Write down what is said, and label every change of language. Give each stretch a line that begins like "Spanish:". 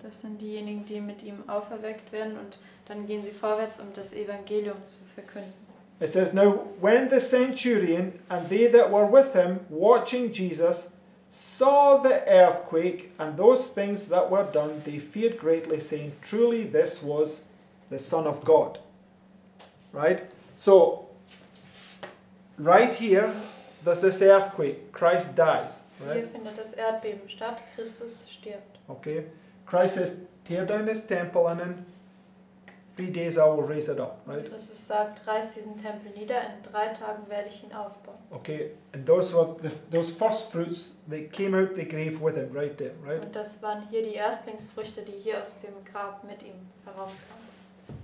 German: Das sind diejenigen, die mit ihm auferweckt werden, und dann gehen sie vorwärts, um das Evangelium zu verkünden.
English: It says, now when the centurion and they that were with him, watching Jesus, saw the earthquake and those things that were done, they feared greatly, saying, truly this was the Son of God. Right? So, right here, there's this earthquake. Christ dies. Right.
German: Hier findet das Erdbeben statt. Christus stirbt.
English: Okay. Christ says, tear down this temple and in 3 days I will raise it up, right?
German: Christus sagt, reiß diesen Tempel nieder, in 3 Tagen werde ich ihn aufbauen.
English: Okay, and those were those first fruits that came out the grave with him, right there, right?
German: Und das waren hier die Erstlingsfrüchte, die hier aus dem Grab mit ihm herauskamen.